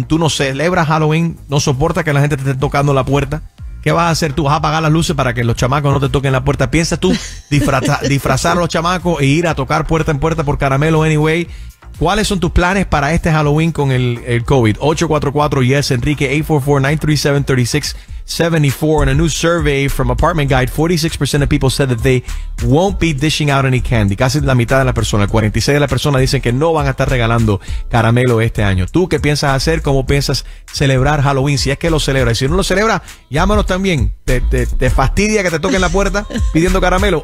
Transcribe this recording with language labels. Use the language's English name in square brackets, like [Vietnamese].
[Spanish] ¿Tú no celebras Halloween? ¿No soportas que la gente te esté tocando la puerta? ¿Qué vas a hacer tú? ¿Vas a apagar las luces para que los chamacos no te toquen la puerta? ¿Piensas tú disfrazar a los chamacos e ir a tocar puerta en puerta por caramelo anyway? ¿Cuáles son tus planes para este Halloween con el COVID? 844-YES-ENRIQUE, 844-937-3674. 74. [English] In a new survey from Apartment Guide, 46% of people said that they won't be dishing out any candy. [Spanish] Casi la mitad de la persona, 46% de la persona dicen que no van a estar regalando caramelo este año. ¿Tú qué piensas hacer? ¿Cómo piensas celebrar Halloween? Si es que lo celebras. Si no lo celebras, llámanos también. ¿Te fastidia que te toquen la puerta pidiendo caramelo?